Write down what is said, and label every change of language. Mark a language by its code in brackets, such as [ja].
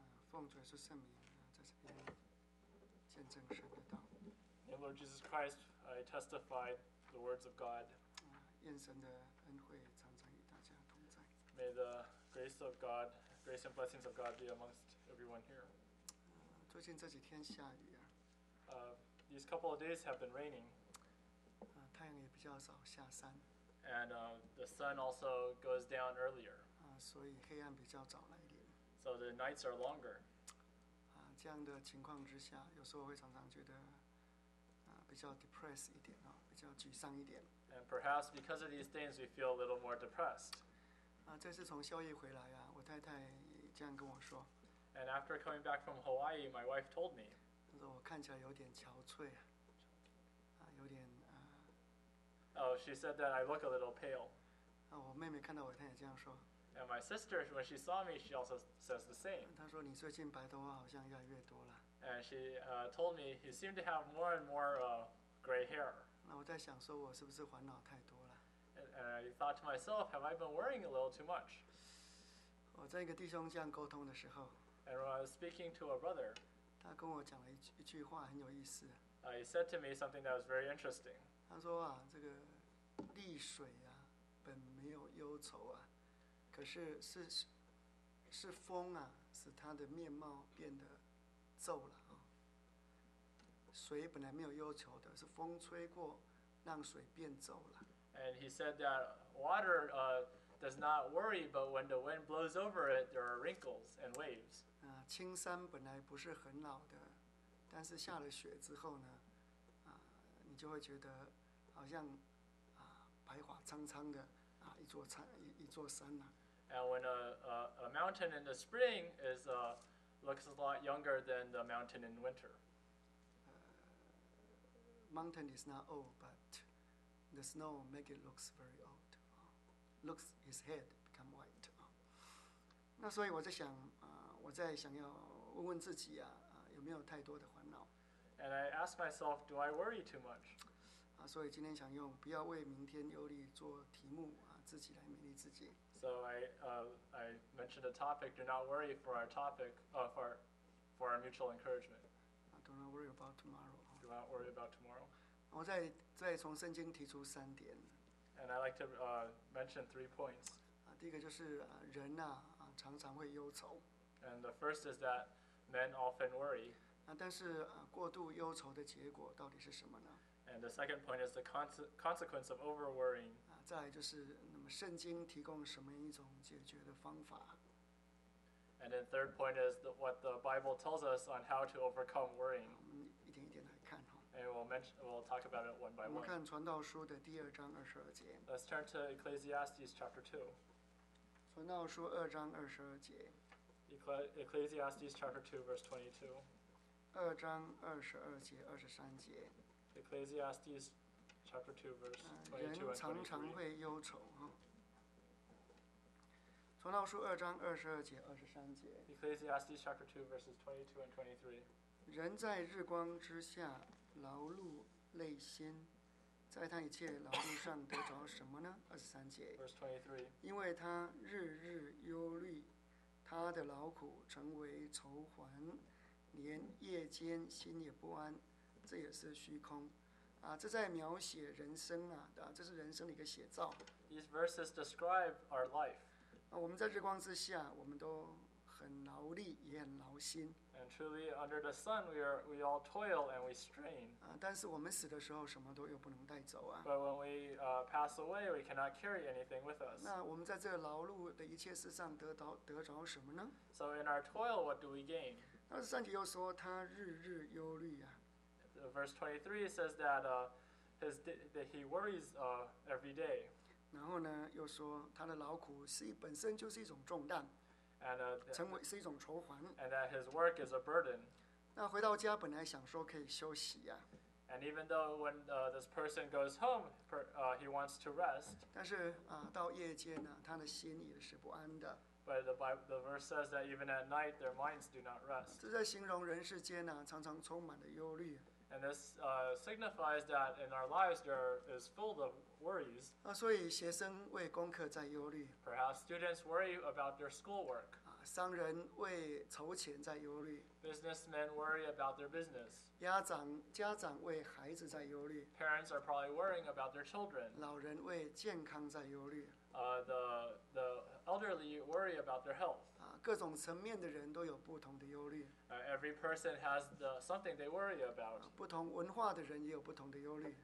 [zh] 奉主耶稣圣名，在这边见证神的道。 [en] And Lord Jesus Christ, I testify the words of God. [zh] 愿神的恩惠常常与大家同在。 [en] May the grace of God, grace and blessings of God be amongst everyone here. [zh] 最近这几天下雨啊。 [en] These couple of days have been raining. [zh] 太阳也比较少下山。 [en] And the sun also goes down earlier. [zh] 所以黑暗比较早来临。 [en] So the nights are longer. [zh] 这样的情况之下，有时候会常常觉得比较 [en] depressed [zh] 一点，比较沮丧一点。 [en] And perhaps because of these things, we feel a little more depressed. [zh] 这次从夏威夷回来啊，我太太也这样跟我说。 [en] And after coming back from Hawaii, my wife told me. [zh] 她说我看起来有点憔悴啊，有点 [en] Oh, she said that I look a little pale. [zh] 我妹妹看到我太太这样说。 [en] And my sister, when she saw me, she also says the same. [zh] 她说你最近白头发好像越来越多了。 [en] And she told me he seemed to have more and more gray hair. [zh] 那我在想说我是不是烦恼太多了。 [en] And I thought to myself, have I been worrying a little too much? [zh] 我在一个弟兄这样沟通的时候。 [en] And when I was speaking to a brother. [zh] 他跟我讲了一句话很有意思。 [en] He said to me something that was very interesting. [zh] 他说啊，这个利水啊，本没有忧愁啊。可是 是风啊，使他的面貌变得皱了啊。水本来没有忧愁的，是风吹过，让水变皱了。 [en] And he said that water does not worry, but when the wind blows over it, there are wrinkles and waves. [zh] 青山本来不是很老的，但是下了雪之后呢，你就会觉得好像白发苍苍的。一座山啊、 [en] And when a mountain in the spring is looks a lot younger than the mountain in winter. Mountain is not old, but the snow makes it looks very old. Looks his head become white. [zh] 那所以我在想，我在想要问问自己啊，有没有太多的烦恼 [en] ？And I ask myself, do I worry too much? [zh] 所以今天想用不要为明天忧虑做题目。自己来勉励自己。 [en] So I mentioned a topic. Do not worry for our topic, for our mutual encouragement. Do not worry about tomorrow. Do not worry about tomorrow. [zh] 我再从圣经提出三点。 [en] And I like to mention three points. [zh] 第一个就是人呐常常会忧愁。 [en] And the first is that men often worry. [zh] 但是过度忧愁的结果到底是什么呢？ [en] And the second point is the consequence of over-worrying. [zh] 再来就是，那么圣经提供什么一种解决的方法 [en] ？And then third point is what the Bible tells us on how to overcome worrying. [zh] 我们一点一点来看哈。 [en] And we'll talk about it one by one. [zh] 我们看传道书的第二章二十二节。 [en] Let's turn to Ecclesiastes chapter 2. [zh] 传道书二章二十二节。 [en] Ecclesiastes chapter 2 verse 22. [zh] 二章二十二节二十三节。 [en] Ecclesiastes chapter 2 verse 22 and [zh] 23. 人常常会忧愁。传道书二章二十二节二十三节。 [en] Ecclesiastes chapter 2 verses 22 and 23. [zh] 人在日光之下劳碌累心，在他一切劳碌上得着什么呢？二十三节。 [en] Verse 23. [zh] 因为他日日忧虑，他的劳苦成为愁烦，连夜间心也不安。这也是虚空，这在描写人生这是人生的一个写照。 [en] These verses describe our life. [zh] 我们在日光之下，我们都很劳力，也很劳心。 [en] And truly, under the sun, we all toil and we strain. [zh] 但是我们死的时候，什么都又不能带走啊。 [en] But when we pass away, we cannot carry anything with us. [zh] 那我们在这劳碌的一切事上得着什么呢 [en] ？So in our toil, what do we gain? [zh] 那二十三节又说他日日忧虑啊。 [en] Verse 23 says that that he worries every day. [zh] 然后呢，又说他的劳苦是本身就是一种重担，成为是一种愁烦。 [en] And that his work is a burden. [zh] 那回到家本来想说可以休息呀。 [en] And even though when this person goes home, he wants to rest. [zh] 但是到夜间呢，他的心也是不安的。 [en] But the verse says that even at night their minds do not rest. [zh] 这在形容人世间呢，常常充满了忧虑。 [en] And this signifies that in our lives there is full of worries. [zh] 所以学生为功课在忧虑。 [en] Perhaps students worry about their schoolwork. [zh] 商人为筹钱在忧虑。 [en] Businessmen worry about their business. [zh] 家长为孩子在忧虑。 [en] Parents are probably worrying about their children. [zh] 老人为健康在忧虑。 [en] The elderly worry about their health. [zh] 各种层面的人都有不同的忧虑。 [en] Every person has something they worry about. [zh] 不同文化的人也有不同的忧虑。